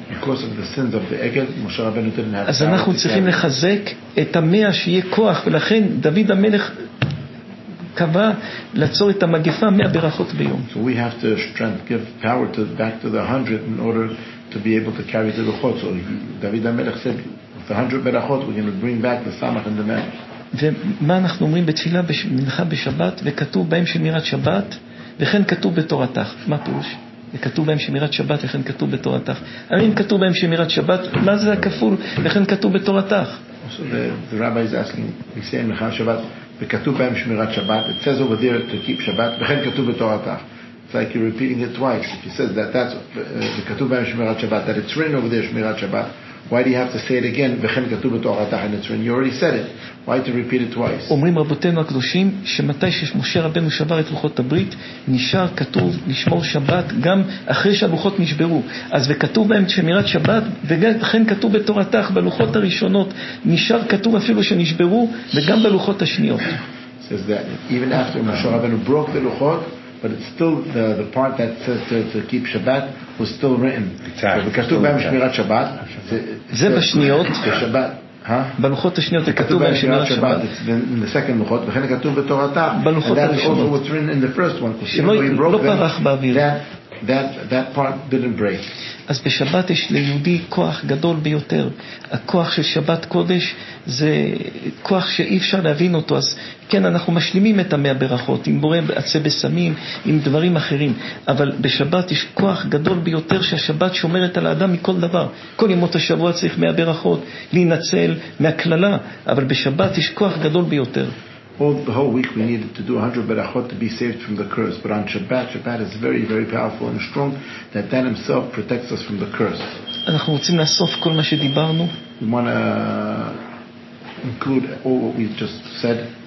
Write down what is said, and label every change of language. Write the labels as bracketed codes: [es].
[en] Because of the sins of the egel, Moshe Rabbeinu didn't have. [he] אז אנחנו צריכים לחזק את המאה שיהיה כוח, ולכן דוד המלך קבע לעצור את המגפה 100 ברכות ביום. [en] So we have to strength, give power to back to the 100 in order to be able to carry the luchot. So David HaMelech said, with the 100 ברכות, we're going to bring back the samach and the mem. [he] ומה אנחנו אומרים בתפילה במנחה בשבת, וכתוב בהם שמירת שבת, וכן כתוב בתורתך. מה פירוש? וכתוב בהם שמירת שבת, וכן כתוב בתורתך. אם כתוב בהם שמירת שבת, מה זה הכפול? וכן כתוב בתורתך. [en] So the rabbi is asking, we say in [he] מנחה שבת, וכתוב בהם שמירת שבת. [en] It says over there to keep Shabbat. [he] וכן כתוב בתורתך. [en] It's like you're repeating it twice. If he says that that's [he] וכתוב בהם שמירת שבת, [en] that it's written over there [he] שמירת שבת. [en] Why do you have to say it again? [he] וכן כתוב בתורתך. [en] And it's written. You already said it. Why to repeat it twice? [he] אומרים רבותינו הקדושים שמתי שמשה רבנו שבר את לוחות הברית, נשאר כתוב לשמור שבת גם אחרי שהלוחות נשברו. אז וכתוב בהם שמירת שבת, וכן כתוב בתורתך בלוחות הראשונות, נשאר כתוב אפילו שנשברו, וגם בלוחות השניות. [en] Says that even after Moshe Rabbeinu broke the luchot, but it's still the part that says to keep Shabbat was still written. [he] וכתוב בהם שמירת שבת. זה בשניות. בשבת. בלוחות השניות כתוב בהם שמירת שבת. [en] In the second לוחות, [he] וכן כתוב בתורתך. בלוחות הראשונות. [en] That also was written in the first one. [he] שלא פרח באוויר. [en] That part didn't break. [he] אז בשבת יש ליהודי כוח גדול ביותר. הכוח של שבת קודש זה כוח שאי אפשר להבין אותו. אז כן, אנחנו משלימים את המאה ברכות עם בורא עצה בסמים, עם דברים אחרים, אבל בשבת יש כוח גדול ביותר שהשבת שומרת על האדם מכל דבר. כל ימות השבוע צריך מאה ברכות להינצל מהכללה, אבל בשבת יש כוח גדול ביותר. [en] The whole week we needed to do 100 berachot to be saved from the curse, but on Shabbat is very, very powerful and strong, that that himself protects us from the curse. [he] אנחנו רוצים לאסוף כל מה שדיברנו. [en] We want to include all what we just said.